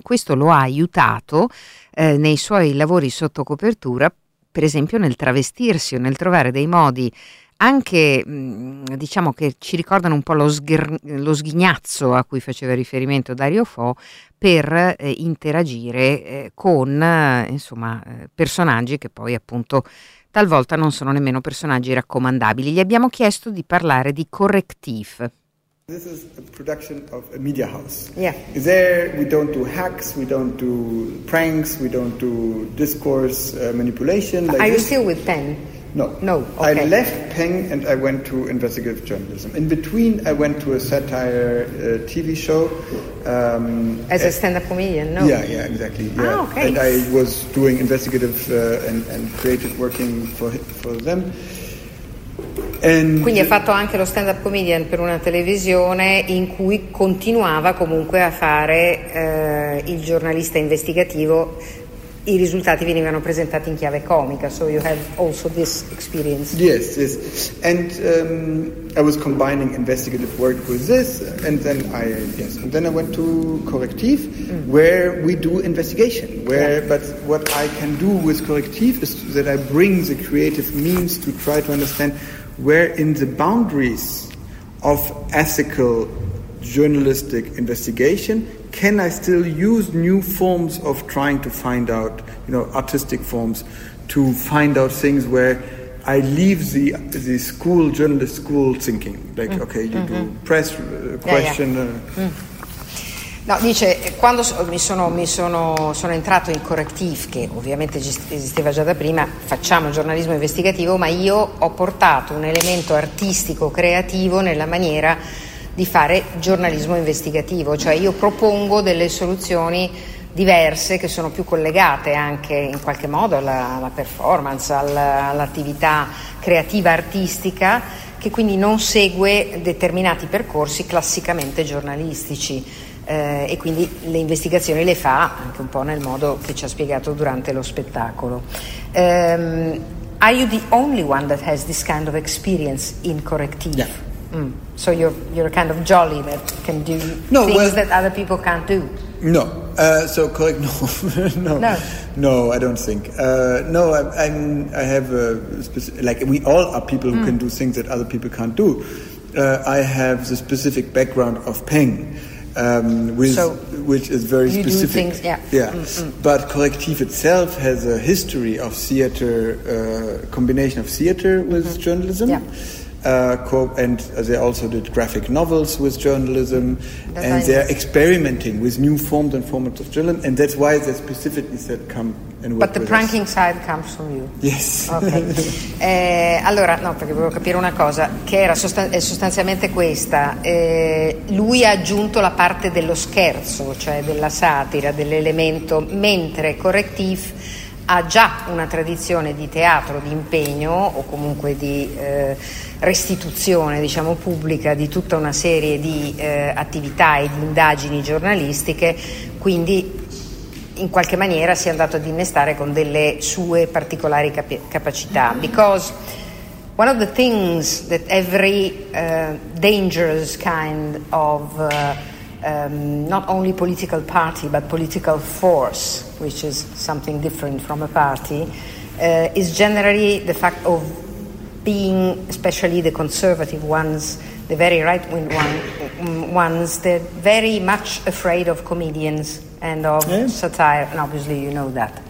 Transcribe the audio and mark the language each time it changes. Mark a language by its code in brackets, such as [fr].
[it] Questo lo ha aiutato nei suoi lavori sotto copertura, per esempio nel travestirsi o nel trovare dei modi anche, diciamo, che ci ricordano un po' lo sghignazzo a cui faceva riferimento Dario Fo, per interagire con, insomma, personaggi che poi appunto talvolta non sono nemmeno personaggi raccomandabili. Gli abbiamo chiesto di parlare di Correctiv. [en] This is a production of a media house. Yeah. Is there, we don't do hacks, we don't do pranks, we don't do discourse manipulation. Like, are you still with Penn? No. No. Okay. I left Peng and I went to investigative journalism. In between, I went to a satire TV show. As a stand-up comedian, no? Yeah, exactly. Yeah. Oh, okay. And I was doing investigative and creative working for them. And [it] quindi ha fatto anche lo stand-up comedian per una televisione in cui continuava comunque a fare il giornalista investigativo. I risultati venivano presentati in chiave comica, [en] so you have also this experience. Yes, and I was combining investigative work with this, and then I went to Correctiv, where we do investigation. But what I can do with Correctiv is that I bring the creative means to try to understand where in the boundaries of ethical journalistic investigation can I still use new forms of trying to find out, you know, artistic forms, to find out things where I leave the school, journalist school thinking. Like, okay, you mm-hmm. do press, question. Yeah, yeah. [it] No, dice, quando sono entrato in Correctiv, che ovviamente esisteva già da prima, facciamo giornalismo investigativo, ma io ho portato un elemento artistico, creativo nella maniera di fare giornalismo investigativo, cioè io propongo delle soluzioni diverse che sono più collegate anche in qualche modo alla performance, all'attività creativa artistica, che quindi non segue determinati percorsi classicamente giornalistici, e quindi le investigazioni le fa anche un po' nel modo che ci ha spiegato durante lo spettacolo. [en] Are you the only one that has this kind of experience in Correctiv? Yeah. So you're a kind of jolly that can do that other people can't do. No, so correct. No, no, no. No, I don't think. No, I have a specific, like, we all are people who can do things that other people can't do. I have the specific background of Peng, which is very you specific. Do things, yeah. Yeah. But Correctiv itself has a history of theater, combination of theater with journalism. Yeah. And they also did graphic novels with journalism, and they're experimenting with new forms and formats of journalism, and that's why they specifically said come and work. But the with pranking us. Side comes from you. Yes. Okay. [it] Allora, no, perché volevo capire una cosa che era sostanzialmente questa. Lui ha aggiunto la parte dello scherzo, cioè della satira, dell'elemento, mentre Correctiv ha già una tradizione di teatro, di impegno o comunque di restituzione, diciamo, pubblica di tutta una serie di attività e di indagini giornalistiche, quindi in qualche maniera si è andato ad innestare con delle sue particolari capacità. [en] Because one of the things that every dangerous kind of not only political party but political force, which is something different from a party, is generally the fact of being, especially the conservative ones, the very right-wing ones, they're very much afraid of comedians and of satire, and obviously you know that.